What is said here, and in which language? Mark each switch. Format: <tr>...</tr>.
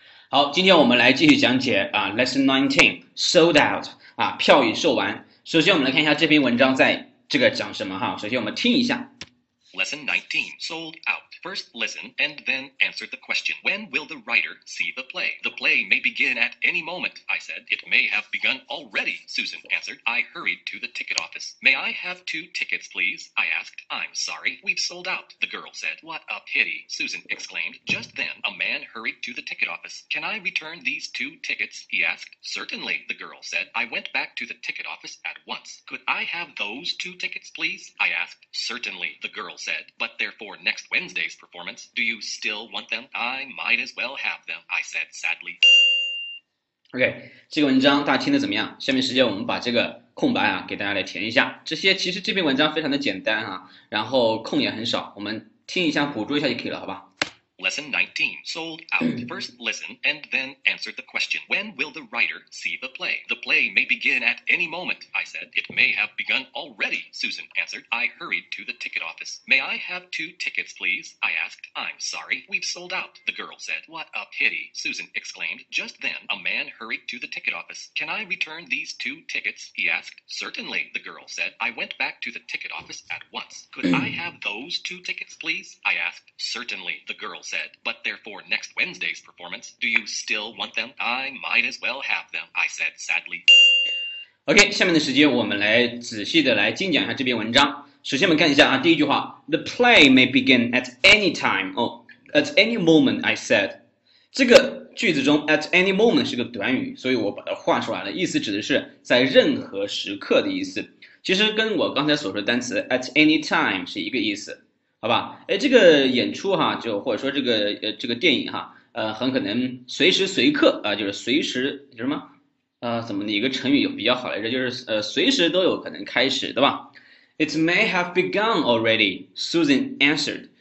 <zh>好，今天我们来继续讲解啊，</zh> <en>Lesson 19 sold out</en> <zh>啊，票已售完。首先，我们来看一下这篇文章在这个讲什么哈。首先，我们听一下。</zh> <en>Lesson 19 sold out. First listen and then answer the question. When will the writer see the play? The play may begin at any moment, I said. It may have begun already, Susan answered. I hurried to the ticket office. May I have two tickets, please? I asked. I'm sorry, we've sold out, the girl said. What a pity, Susan exclaimed. Just then, a man hurried to the ticket office. Can I return these two tickets? He asked. Certainly, the girl said. I went back to the ticket office at once. Could I have those two tickets, please? I asked. Certainly, the girl said, but they're for next Wednesday's performance. Do you still want them? I might as well have them, I said sadly.</en> <zh>OK, 这个文章大家听得怎么样？下面时间我们把这个空白啊给大家来填一下。这些其实这篇文章非常的简单啊，然后空也很少，我们听一下捕捉一下就可以了，好吧？</zh> <en>Lesson 19, sold out. First listen and then answer the question. When will the writer see the play? The play may begin at any moment, I said. It may have begun already, Susan answered. I hurried to the ticket office. May I have two tickets, please? I asked. I'm sorry, we've sold out, the girl said. What a pity, Susan exclaimed. Just then, a man hurried to the ticket office. Can I return these two tickets? He asked. Certainly, the girl said. I went back to the ticket office at once. Could I have those two tickets, please? I asked. Certainly, the girl said, but they're for next Wednesday's performance. Do you still want them? I might as well have them, I said sadly.</en> <zh>OK, 下面的时间我们来仔细的来精讲一下这篇文章。首先我们看一下啊，第一句话</zh> <en>The play may begin at any time, at any moment, I said.</en> <zh>这个句子中 at any moment 是个短语，所以我把它画出来了，意思指的是在任何时刻的意思。其实跟我刚才所说的单词 at any time 是一个意思，好吧，哎，这个演出哈，就或者说这个电影哈，很可能随时随刻啊，就是随时就是什么，怎么的一个成语有比较好来着？就是随时都有可能开始，对吧 ？</zh> <en>It may have begun already, Susan answered.</en>